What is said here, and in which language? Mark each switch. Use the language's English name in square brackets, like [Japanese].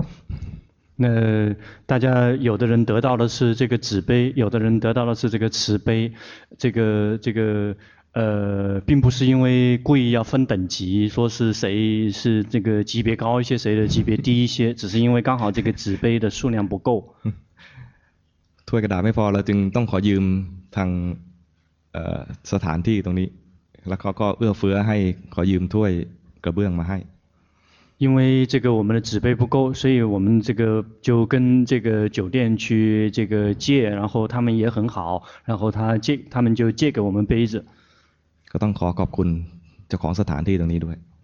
[Chinese] นะ那大家有的人得到的是这个纸杯有的人得到的是这个瓷杯这个并不是因为故意要分等级说是谁是这个级别高一些谁的级别低一些只是因为刚好这个纸杯的数量不够 [Thai] ถ้วยกระดาษไม่พอเราจึงต้องขอยืมทางสถานที่ตรงนี้แล้วเขาก็เอื้อเฟื้อให้ขอยืมถ้วยกระเบื้องมาให้ [Chinese] 因为这个我们的纸杯不够所以我们这个就跟这个酒店去这个借然后他们也很好然后他们就借给我们杯子 [Thai] ก็ต้องขอขอบคุณเจ้าของสถานที่ตรงนี้ด้วย